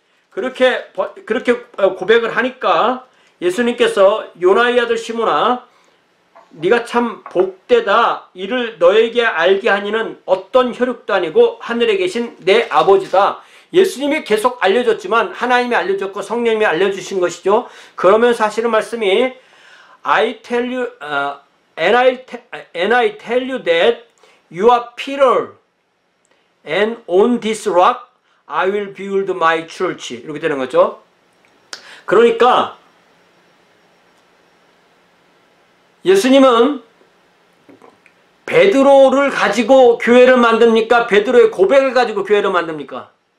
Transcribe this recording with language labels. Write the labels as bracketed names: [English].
[Korean] 그렇게 고백을 하니까 예수님께서 요나의 아들 시모나, 네가 참 복되다 이를 너에게 알게 하니는 어떤 혈육도 아니고 하늘에 계신 내 아버지다. 예수님이 계속 알려줬지만 하나님이 알려줬고 성령님이 알려주신 것이죠. 그러면 사실은 말씀이 [English] I tell you, and I tell you that you are Peter, and on this rock I will build my church. [Korean] 이렇게 되는 거죠. 그러니까 예수님은 베드로를 가지고 교회를 만듭니까? 베드로의 고백을 가지고 교회를 만듭니까?